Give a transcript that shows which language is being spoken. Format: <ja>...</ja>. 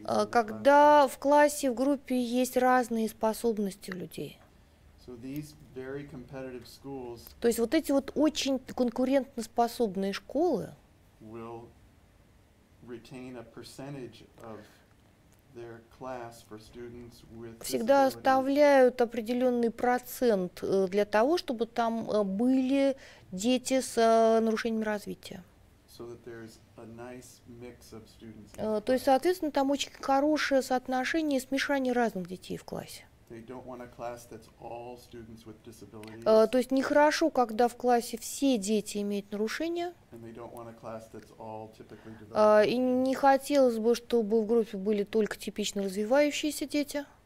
<ru>Когда в классе, в группе есть разные способности у людей. То есть вот эти вот очень конкурентоспособные школы</ru> <en>retain a percentage of their class for students with</en> <ru>всегда оставляют определенный процент для того, чтобы там были дети с нарушениями развития.</ru> <en>So that there's a nice mix of students.</en> <ru>То есть, соответственно, там очень хорошее соотношение и смешание разных детей в классе.</ru> <en>They don't want a class that's all students with disabilities.</en> <ru>То есть нехорошо, когда в классе все дети имеют нарушения.</ru> <en>And they don't want a class that's all typically developed.</en> <ru>И не хотелось бы, чтобы в группе были только типично развивающиеся дети.</ru>